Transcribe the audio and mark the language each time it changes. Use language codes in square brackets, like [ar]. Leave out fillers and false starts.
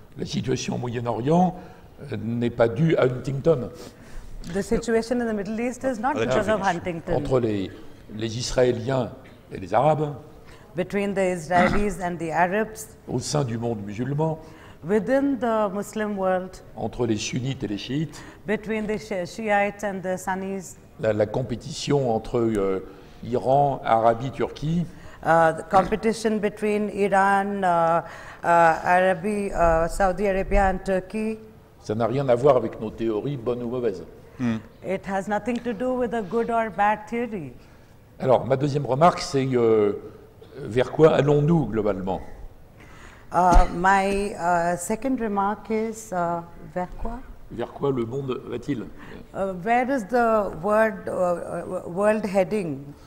[fr] La situation au Moyen-Orient n'est pas due à Huntington. [en] The situation in the Middle East is not because of Huntington. [fr] Entre les Israéliens et les Arabes. [en] Between the Israelis and the Arabs. [fr] Au sein du monde musulman. [en] Within the Muslim world. [fr] Entre les sunnites et les chiites. [en] Between the Shiites and the Sunnis. [fr] La compétition entre Iran, Arabie, Turquie. [en] The competition between Iran, Arabie, Saudi Arabia and Turkey. [fr] Ça n'a rien à voir avec nos théories bonnes ou mauvaises. [en] It has nothing to do with a good or bad theory. [fr] Alors, ma deuxième remarque, c'est vers quoi allons-nous globalement? [en] Second remark is [fr] vers quoi? Vers quoi le monde va-t-il? [en] Where is the world heading?